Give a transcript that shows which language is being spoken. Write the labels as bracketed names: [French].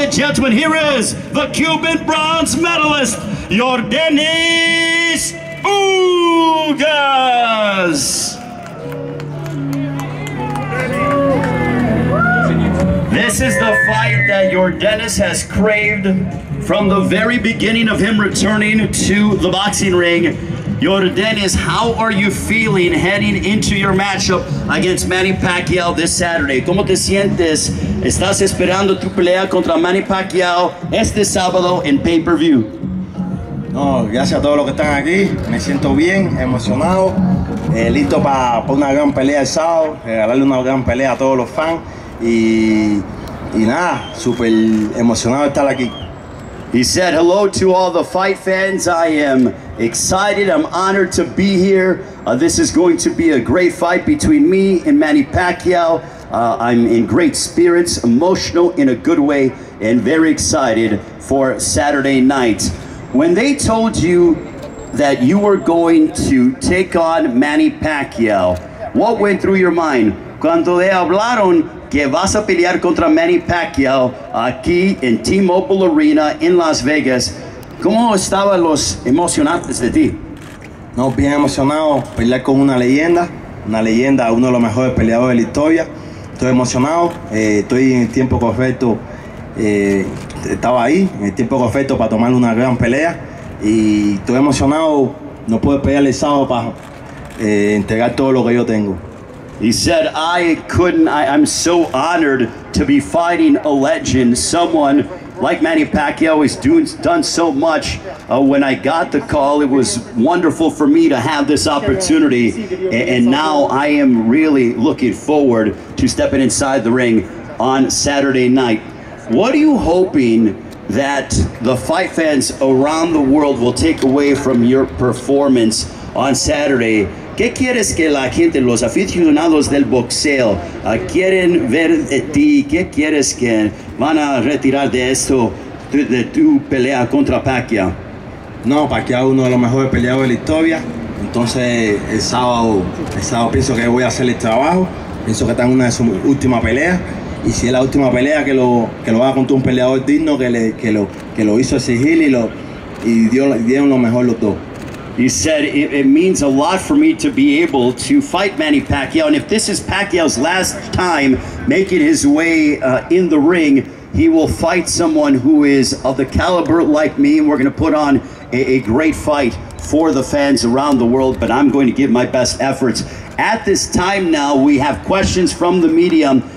[English] gentlemen, here is the Cuban bronze medalist, your Dennis UGAS! This is the fight that your Dennis has craved from the very beginning of him returning to the boxing ring. Your Dennis, how are you feeling heading into your matchup against Manny Pacquiao this Saturday? [Spanish] ¿Cómo te sientes? ¿Estás esperando tu pelea contra Manny Pacquiao este sábado en pay-per-view? No, gracias a todos los que están aquí. Me siento bien, emocionado, listo para una gran pelea el sábado, regalarle una gran pelea a todos los fans y nada, súper emocionado estar aquí. [English] He said hello to all the fight fans. I am excited, I'm honored to be here. This is going to be a great fight between me and Manny Pacquiao. I'm in great spirits, emotional in a good way, and very excited for Saturday night. When they told you that you were going to take on Manny Pacquiao, what went through your mind? [Spanish] Cuando le hablaron que vas a pelear contra Manny Pacquiao aquí en T-Mobile Arena en Las Vegas, ¿cómo estaban los emocionantes de ti? No, bien emocionado pelear con una leyenda, uno de los mejores peleadores de la historia. Estoy emocionado, estoy en el tiempo correcto, estaba ahí, en el tiempo correcto para tomar una gran pelea. Y estoy emocionado, no puedo esperar el sábado para entregar todo lo que yo tengo. [English] He said, I'm so honored to be fighting a legend, someone like Manny Pacquiao has done so much. When I got the call, it was wonderful for me to have this opportunity. And now I am really looking forward to stepping inside the ring on Saturday night. What are you hoping that the fight fans around the world will take away from your performance on Saturday? [Spanish] ¿Qué quieres que la gente, los aficionados del boxeo, quieren ver de ti? ¿Qué quieres que van a retirar de esto, de tu pelea contra Pacquiao? No, Pacquiao es uno de los mejores peleadores de la historia. Entonces, el sábado pienso que voy a hacer el trabajo. Pienso que está en una de sus últimas peleas. Y si es la última pelea, que lo haga contra un peleador digno, que lo hizo exigir y dieron lo mejor los dos. [English] He said, it means a lot for me to be able to fight Manny Pacquiao. And if this is Pacquiao's last time making his way in the ring, he will fight someone who is of the caliber like me. And we're going to put on a great fight for the fans around the world. But I'm going to give my best efforts. At this time now, we have questions from the media.